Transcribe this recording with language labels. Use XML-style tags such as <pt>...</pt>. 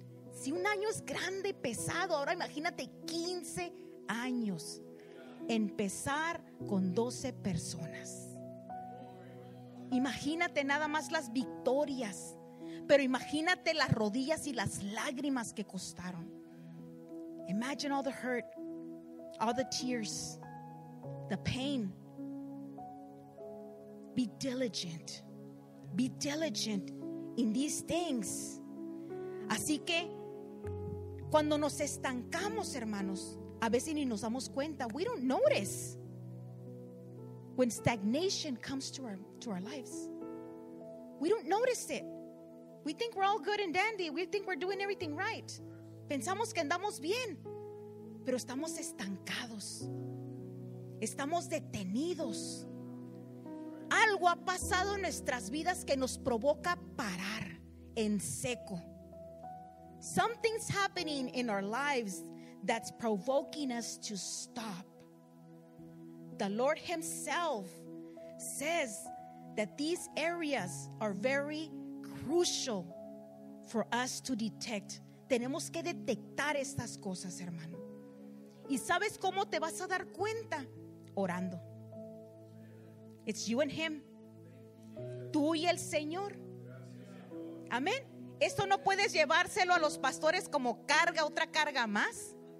<es>Si un año es grande, pesado, ahora imagínate 15 años. Empezar con 12 personas. Imagínate nada más las victorias, pero imagínate las rodillas y las lágrimas que costaron.</es> <en>Imagine all the hurt, all the tears, the pain. Be diligent. Be diligent in these things.</en> <es>Así que cuando nos estancamos, hermanos, a veces ni nos damos cuenta.</es> <en>We don't notice when stagnation comes to our lives. We don't notice it. We think we're all good and dandy. We think we're doing everything right.</en> <es>Pensamos que andamos bien, pero estamos estancados. Estamos detenidos. Algo ha pasado en nuestras vidas que nos provoca parar en seco.</es> <en>Something's happening in our lives that's provoking us to stop. The Lord Himself says that these areas are very crucial for us to detect.</en> <es>Tenemos que detectar estas cosas, hermano. ¿Y sabes cómo te vas a dar cuenta? orando.</es> <en>It's you and him.</en> <es>Tú y el Señor. Amén. Esto no puedes llevárselo a los pastores como carga, otra carga más.</es>